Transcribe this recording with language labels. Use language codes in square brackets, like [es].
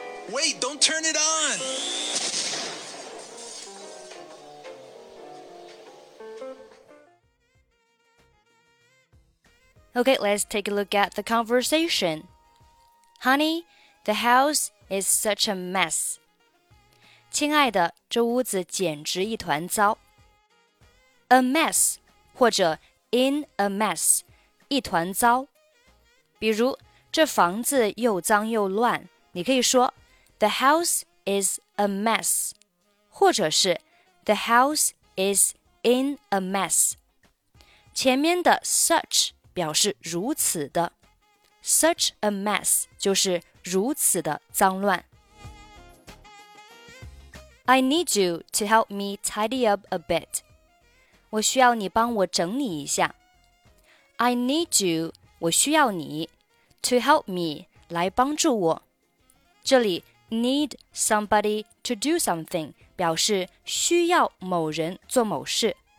[en] Wait, don't turn it on! Okay, let's take a look at the conversation. Honey, the house is such a mess. [zh] 亲爱的，这屋子简直一团糟。 [en] A mess, 或者 in a mess, [zh] 一团糟。比如这房子又脏又乱，你可以说 [en] The house is a mess, [zh] 或者是 [en] The house is in a mess. [zh] 前面的 such 表示如此的 , [en] such a mess [zh] 就是如此的脏乱。 [en] I need you to help me tidy up a bit. [zh] 我需要你帮我整理一下。 [en] I need you, [zh] 我需要你。 [en] To help me, [zh] 来帮助我。这里 [en] need somebody to do something [zh] 表示需要某人做某事。